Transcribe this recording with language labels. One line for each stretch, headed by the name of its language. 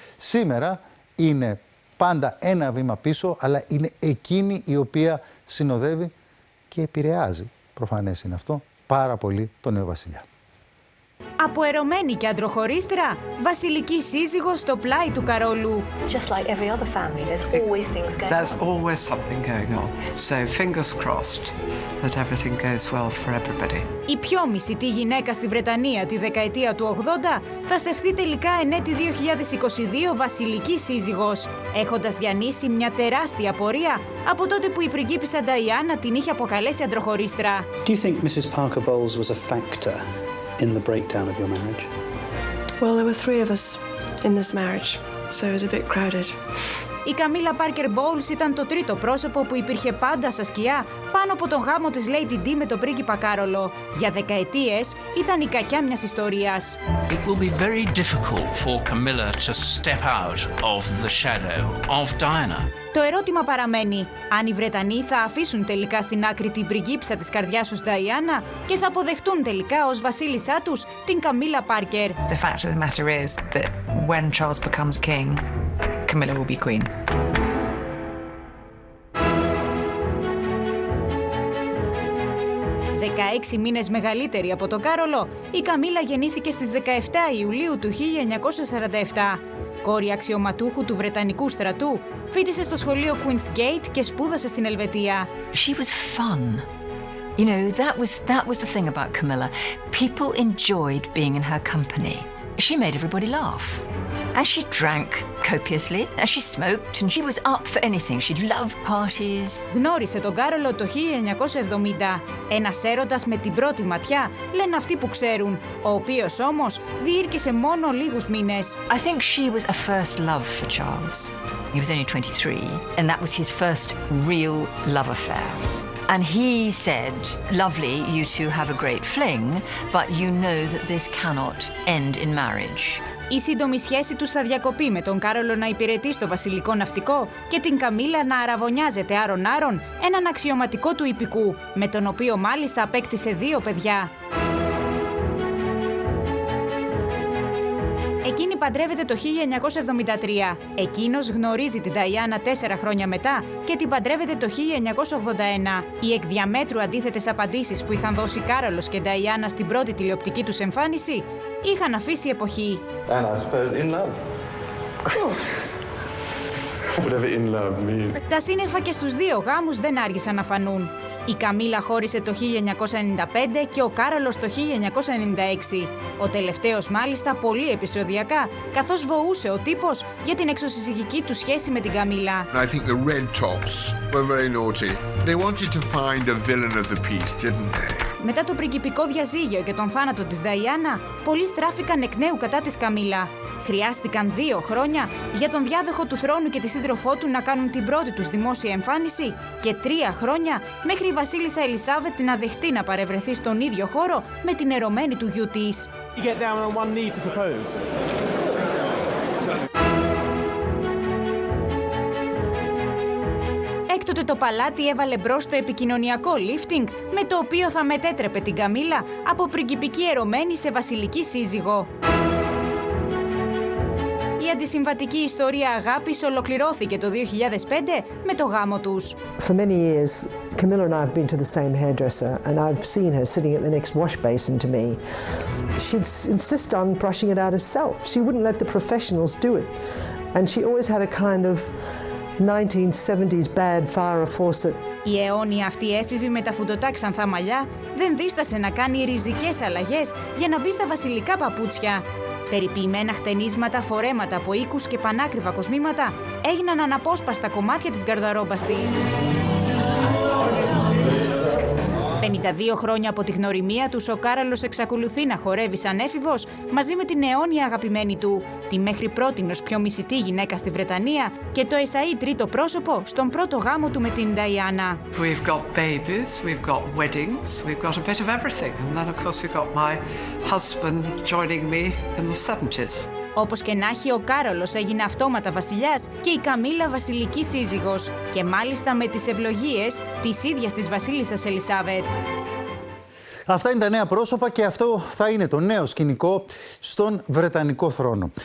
Greek: Σήμερα είναι πάντα ένα βήμα πίσω, αλλά είναι εκείνη η οποία συνοδεύει και επηρεάζει, προφανές είναι αυτό, πάρα πολύ τον νέο βασιλιά. Αποερωμένη και αντροχωρίστρα, βασιλική σύζυγος στο πλάι του Καρόλου.
English: Just like every other family, there's always things going on. There's always something going on. So fingers crossed that everything goes well for everybody.
Greek: Η πιο μισητή γυναίκα στη Βρετανία τη δεκαετία του 80 θα στεφθεί τελικά εν έτη 2022 βασιλική σύζυγος, έχοντας διανύσει μια τεράστια πορεία από τότε που η πριγκίπισσα Νταϊάννα την είχε αποκαλέσει αντροχωρίστρα.
English: Do you think Mrs. Parker Bowles was a factor in the breakdown of your marriage? Well, there were three of us in this marriage, so it was a bit crowded.
Greek: Η Καμίλα Πάρκερ Μπόουλς ήταν το τρίτο πρόσωπο που υπήρχε πάντα στα σκιά πάνω από τον γάμο της Lady D με τον πρίγκιπα Κάρολο. Για δεκαετίες ήταν η κακιά μιας ιστορίας.
English: It will be very difficult for Camilla to step out of the shadow of Diana.
Greek: Το ερώτημα παραμένει, αν οι Βρετανοί θα αφήσουν τελικά στην άκρη την πριγκίπισσα της καρδιάς τους Νταϊάννα και θα αποδεχτούν τελικά ως βασίλισσά τους την Καμίλα Πάρκερ.
English: The fact of the matter is that when Charles becomes king, Camilla will be queen.
Greek: Έξι μήνες μεγαλύτερη από τον Κάρολο, η Καμίλα γεννήθηκε στις 17 Ιουλίου του 1947. κόρη αξιωματούχου του Βρετανικού στρατού, φίτησε στο σχολείο Queen's Gate και σπούδασε στην Ελβετία.
English: She was fun. You know, that was the thing about Camilla. People enjoyed being in her company. She made everybody laugh. And she drank copiously, and she smoked, and she was up for anything. She loved parties.
Greek: Γνώρισε τον Κάρολο το 1970. Ένας έρωτας με την πρώτη ματιά, λένε αυτοί που ξέρουν, ο οποίος όμως διήρκησε μόνο λίγους μήνες.
English: I think she was a first love for Charles. He was only 23, and that was his first real love affair. And he said, lovely, you two have a great fling, but you know that this cannot end in marriage.
Greek: Η σύντομη σχέση τους θα διακοπεί με τον Κάρολο να υπηρετεί στο βασιλικό ναυτικό και την Καμίλα να αραβωνιάζεται άρον-άρον έναν αξιωματικό του υπηκού, με τον οποίο μάλιστα απέκτησε δύο παιδιά. Εκείνη παντρεύεται το 1973. Εκείνος γνωρίζει την Νταϊάννα 4 χρόνια μετά και την παντρεύεται το 1981. Οι εκ διαμέτρου αντίθετες απαντήσεις που είχαν δώσει Κάρολος και Νταϊάννα στην πρώτη τηλεοπτική τους εμφάνιση είχαν αφήσει εποχή.
English: And I suppose in love. Of course. Whatever in love means.
Greek: Τα σύννεφα και στους δύο γάμους δεν άργησαν να φανούν. Η Καμίλα χώρισε το 1995 και ο Κάρολος το 1996. Ο τελευταίος μάλιστα πολύ επεισοδιακά, καθώς βοούσε ο τύπος για την εξωσυζυγική του σχέση με την Καμίλα.
English: I think the red tops were very naughty. They wanted to find a villain of the piece, didn't they?
Greek: Μετά το πριγκιπικό διαζύγιο και τον θάνατο της Νταϊάννα, πολλοί στράφηκαν εκ νέου κατά της Καμίλα. Χρειάστηκαν δύο χρόνια για τον διάδοχο του θρόνου και τη σύντροφό του να κάνουν την πρώτη τους δημόσια εμφάνιση και τρία χρόνια μέχρι η βασίλισσα Ελισάβετ να δεχτεί να παρευρεθεί στον ίδιο χώρο με την ερωμένη του γιου της. Έκτοτε το παλάτι έβαλε μπρος το επικοινωνιακό lifting με το οποίο θα μετέτρεπε την Καμίλα από πριγκιπική ερωμένη σε βασιλική σύζυγο. Η αντισυμβατική ιστορία αγάπης ολοκληρώθηκε το 2005 με το γάμο τους.
English: For many years, Camilla and I have been to the same hairdresser and I've seen her sitting at the next wash basin to me. She'd insist on brushing it out herself. She wouldn't let the professionals do it. And she always had a kind of 1970s bad fire faucet.
Greek: Η αιώνια αυτή έφηβη με τα φουντωτά ξανθά μαλλιά δεν δίστασε να κάνει ριζικές αλλαγές για να μπει στα βασιλικά παπούτσια. Περιποιημένα χτενίσματα, φορέματα από οίκους και πανάκριβα κοσμήματα έγιναν αναπόσπαστα κομμάτια της γκαρδαρόμπας της. 52 χρόνια από τη γνωριμία τους, ο Κάρολος εξακολουθεί να χορεύει σαν έφηβος μαζί με την αιώνια αγαπημένη του, τη μέχρι πρότινος πιο μισητή γυναίκα στη Βρετανία και το εσαΐ τρίτο πρόσωπο στον πρώτο γάμο του με την Νταϊάννα.
English: We've got babies, we've got weddings, we've got a bit of everything. And then of course we've got my husband joining me in the 70s.
Greek: Όπως και να έχει, ο Κάρολος έγινε αυτόματα βασιλιάς και η Καμίλα βασιλική σύζυγος. Και μάλιστα με τις ευλογίες της ίδιας της βασίλισσας Ελισάβετ. Αυτά είναι τα νέα πρόσωπα και αυτό θα είναι το νέο σκηνικό στον Βρετανικό θρόνο.